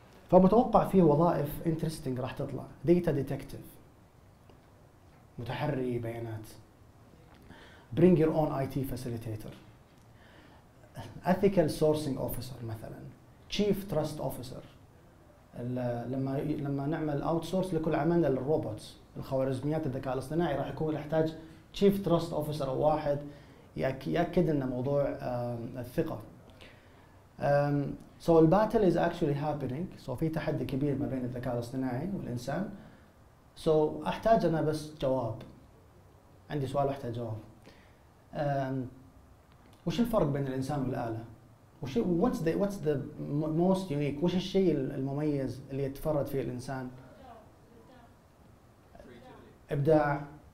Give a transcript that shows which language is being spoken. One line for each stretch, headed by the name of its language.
Arabic: فمتوقع فيه وظائف
English: interesting
Arabic: راح تطلع.
English: data detective,
Arabic: متحري بيانات،
English: Bring your own I T facilitator, ethical sourcing officer مثلا، chief trust officer.
Arabic: لما نعمل اوت سورس لكل عملنا للروبوتس، الخوارزميات الذكاء الاصطناعي راح يكون يحتاج
English: chief trust officer
Arabic: او واحد يأكد ان موضوع الثقه.
English: So the battle is actually happening.
Arabic: So في تحدي كبير ما بين الذكاء الاصطناعي والإنسان. So أحتاج أنا بس جواب. عندي سؤال أحتاج جواب. وش الفرق بين الإنسان والآلة؟
English: What's the most unique؟
Arabic: وش الشيء المميز اللي يتفرد فيه الإنسان؟ إبداع.